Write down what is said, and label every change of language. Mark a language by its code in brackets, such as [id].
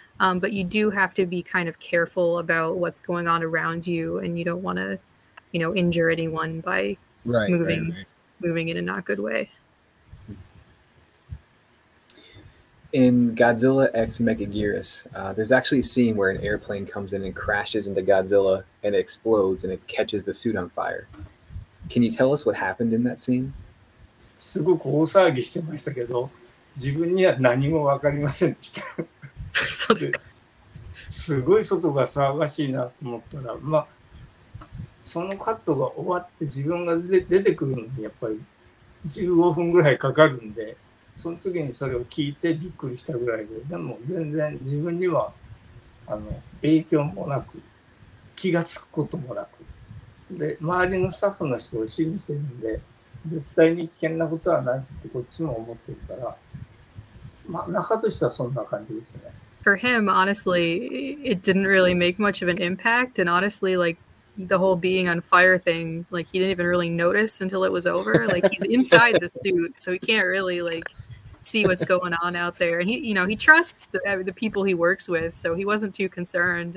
[en] But you do have to be kind of careful about what's going on around you, and you don't want to, you know, injure anyone by moving in a not good way. In Godzilla X Megaguirus, there's actually a scene where an airplane comes in and crashes into Godzilla and it explodes and it catches the suit on fire. Can you tell us what happened in that scene? [ja] すごく大騒ぎしてましたけど、自分には何もわかりませんでした。すごい外が騒がしいなと思ったら、まあそのカットが終わって自分が出てくるのにやっぱり15分ぐらいかかるんで、その時にそれを聞いてびっくりしたぐらいで、でも全然自分には影響もなく気がつくこともなく、で周りのスタッフの人を信じてるんで絶対に危険なことはないってこっちも思ってるから、まあ中としてはそんな感じですね。 [en] For him, honestly, it didn't really make much of an impact. And honestly, like the whole being on fire thing, like he didn't even really notice until it was over. Like he's inside the suit, so he can't really like see what's going on out there. And he, you know, he trusts the people he works with, so he wasn't too concerned.